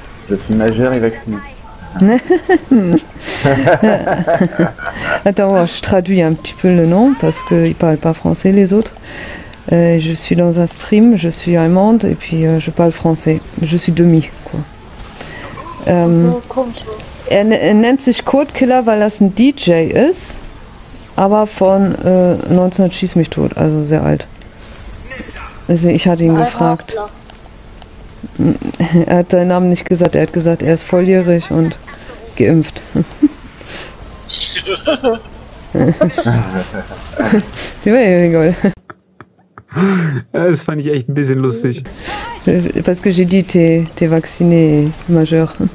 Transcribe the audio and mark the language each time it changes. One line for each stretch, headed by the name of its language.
French: Je suis majeur et vacciné. Attends, je traduis un petit peu le nom parce qu'ils parlent pas français les autres. Je suis dans un stream, je suis allemande et puis je parle français. Je suis demi, quoi.
German: Er nennt sich Code Killer, weil das ein DJ ist, aber von 1900 schieß mich tot, also sehr alt. Deswegen, ich hatte ihn gefragt. Er hat seinen Namen nicht gesagt, er hat gesagt, er ist volljährig und geimpft. Das fand ich echt ein bisschen lustig.
French: Parce que j'ai dit, t'es vacciné, majeur.